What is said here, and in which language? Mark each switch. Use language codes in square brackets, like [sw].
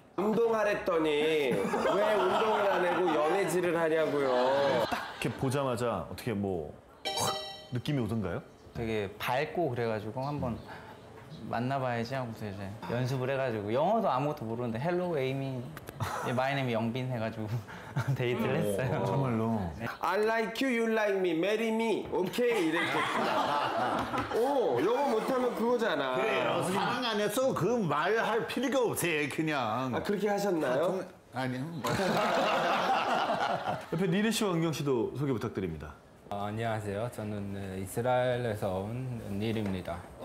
[ko] 운동하랬더니 왜 운동을 안 하고 연애질을 하냐고요. 딱 이렇게 보자마자 어떻게 뭐 확 느낌이 오던가요? 되게 밝고 그래가지고 한번 만나봐야지 하고서 이제 연습을 해가지고 영어도 아무것도 모르는데 [en] Hello, Amy. My name is 영빈 [ko] 해가지고 데이트를 했어요. 정말로. [en] I like you, you like me, marry me, okay 이렇게. [ko] 오, 영어 못하면 그거잖아. 그래요. 사랑 안 해서 그 말할 필요가 없어요, 그냥. 아, 그렇게 하셨나요? 아니요. 옆에 니르 씨와 은경 씨도 소개 부탁드립니다. 안녕하세요. 저는 이스라엘에서 온 니르입니다.